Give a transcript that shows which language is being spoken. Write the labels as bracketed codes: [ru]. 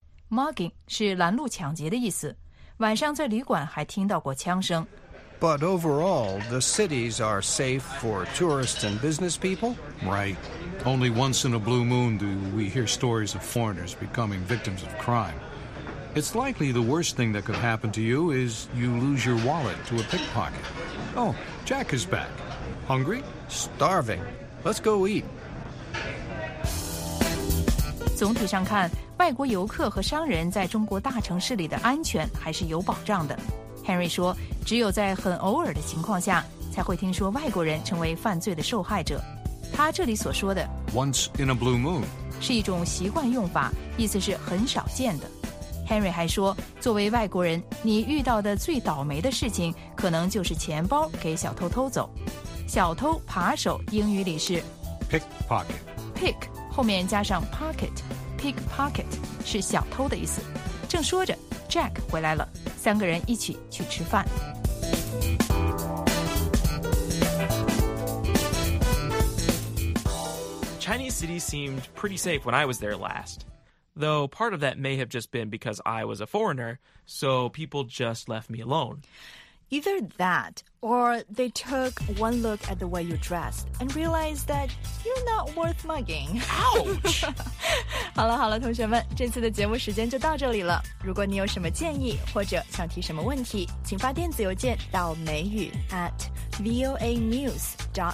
[zh] Mugging 是拦路抢劫的意思。晚上在旅馆还听到过枪声。 [en] But overall, the cities are safe for tourists and business people? Right. Only once in a blue moon do we hear stories of foreigners becoming victims of crime. It's likely the worst thing that could happen to you is you lose your wallet to a pickpocket. Oh, Jack is back. Hungry? Starving. Let's go eat. [zh] 总体上看外国游客和商人在中国大城市里的安全还是有保障的。 Henry 说，只有在很偶尔的情况下，才会听说外国人成为犯罪的受害者。他这里所说的 [en] "once in a blue moon" [zh] 是一种习惯用法，意思是很少见的。Henry 还说，作为外国人，你遇到的最倒霉的事情，可能就是钱包给小偷偷走。小偷、扒手，英语里是 [en] pickpocket。 [zh] pick 后面加上 pocket。 Pickpocket 是小偷的意思。正说着 ，Jack 回来了，三个人一起去吃饭。 [en] Chinese city seemed pretty safe when I was there last, though part of that may have just been because I was a foreigner, so people just left me alone. Either that, or they took one look at the way you dressed and realized that you're not worth mugging. Ouch! [zh] 好了好了，同学们，这次的节目时间就到这里了。如果你有什么建议或者想提什么问题，请发电子邮件到美语 @voanews.com.